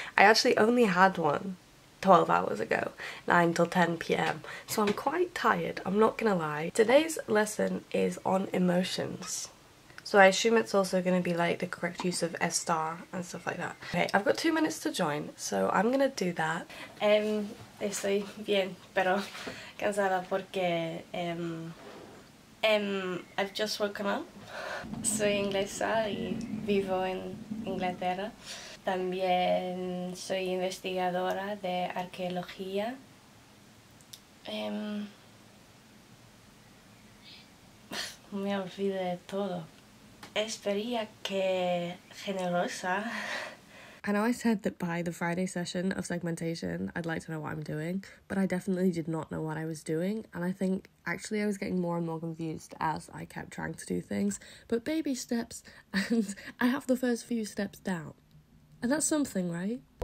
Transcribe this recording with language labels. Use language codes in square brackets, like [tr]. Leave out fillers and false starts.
[en] I actually only had one 12 hours ago, 9 till 10 p.m. So I'm quite tired, I'm not gonna lie. Today's lesson is on emotions. So I assume it's also gonna be like the correct use of S-star and stuff like that. Okay, I've got 2 minutes to join, so I'm gonna do that. [es] Estoy bien, pero cansada porque, [en] I've just woken up. [es] Soy inglesa y vivo en Inglaterra. También soy investigadora de arqueología. Me olvidé de todo. Esperaría que generosa. [en] I know I said that by the Friday session of segmentation, I'd like to know what I'm doing, but I definitely did not know what I was doing. And I think actually I was getting more and more confused as I kept trying to do things, but baby steps, and I have the first few steps down. And that's something, right?